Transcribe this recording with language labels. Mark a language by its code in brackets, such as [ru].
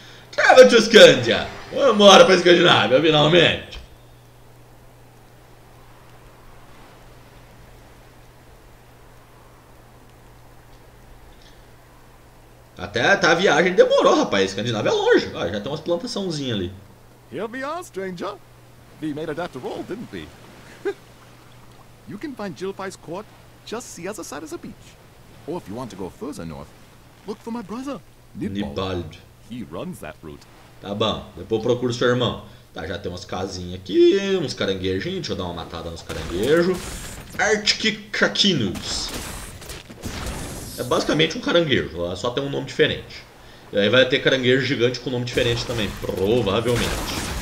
[en] Travel to Scandia! [pt] Vambora pra Escandinávia, finalmente! Até a viagem demorou, rapaz. Escandinávia é longe. Ah, já tem umas plantaçãozinhas ali. [en] Here we are, stranger. We made it after all, didn't we? You can find Jilfai's court just the other side of the beach. Or if you want to go further north, look for my brother, Nibald. He runs that route. [pt] Tá bom, depois eu procuro seu irmão. Tá, já tem umas casinhas aqui, uns caranguejinhos. Deixa eu dar uma matada nos caranguejos. Arctic Kakinus. É basicamente um caranguejo, só tem um nome diferente. E aí vai ter caranguejo gigante com nome diferente também, provavelmente.